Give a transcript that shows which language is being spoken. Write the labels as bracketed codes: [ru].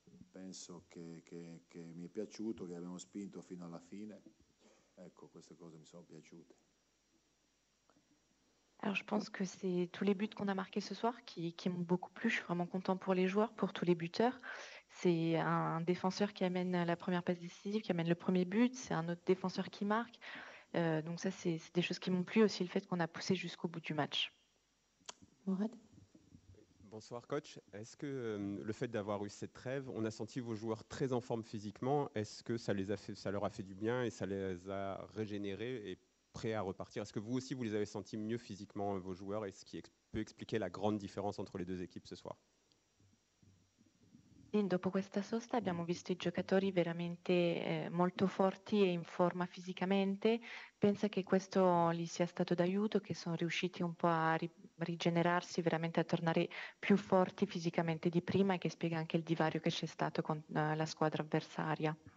[it] Penso che mi è piaciuto, che abbiamo spinto fino alla fine. Ecco, queste cose mi sono piaciute. [fr] Alors je pense que c'est tous les buts qu'on a marqués ce soir qui m'ont beaucoup plu. Je suis vraiment content pour les joueurs, pour tous les buteurs. C'est un défenseur qui amène la première passe décisive, qui amène le premier but. C'est un autre défenseur qui marque. Donc ça, c'est des choses qui m'ont plu. Aussi le fait qu'on a poussé jusqu'au bout du match. Mourad. Bonsoir coach. Est-ce que le fait d'avoir eu cette trêve, on a senti vos joueurs très en forme physiquement. Est-ce que ça leur a fait du bien et ça les a régénérés et prêts à repartir? Est-ce que vous aussi, vous les avez sentis mieux physiquement, vos joueurs, et ce qui peut expliquer la grande différence entre les deux équipes ce soir? [it] Sì, dopo questa sosta abbiamo visto i giocatori veramente molto forti e in forma fisicamente. Penso che questo gli sia stato d'aiuto, che sono riusciti un po' a rigenerarsi, veramente a tornare più forti fisicamente di prima, e che spiega anche il divario che c'è stato con la squadra avversaria.